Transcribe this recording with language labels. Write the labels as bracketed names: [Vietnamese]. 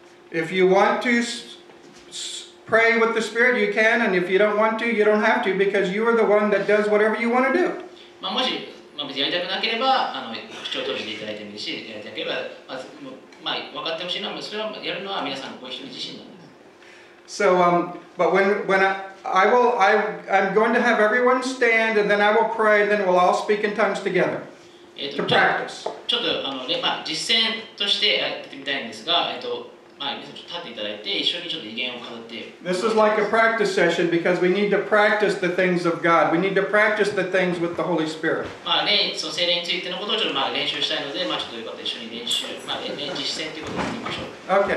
[English] If you want to pray with the Spirit, you can, and if you don't want to, you don't have to, because you are the one that does whatever you want to do. [Japanese] まあ、もし、まあ、別にやりたくなければ口を閉じていただいてもいいし、やりたければ、まあ、まあ、分かってほしいのは、それをやるのは皆さんご一人自身なんです。 [English] So, but when I'm going to have everyone stand, and then I will pray, and then we'll all speak in tongues together. To practice. [Japanese] ちょっと、まあ、実践としてやってみたいんですが、まあ、皆さんちょっと立っていただいて、一緒にちょっと威厳を語って。 [English] This is like a practice session because we need to practice the things of God. We need to practice the things with the Holy Spirit. [Japanese] まあね、その聖霊についてのことをちょっとまあ練習したいので、まあちょっとよかったら一緒に練習、まあ、ね、実践ということをやりましょう。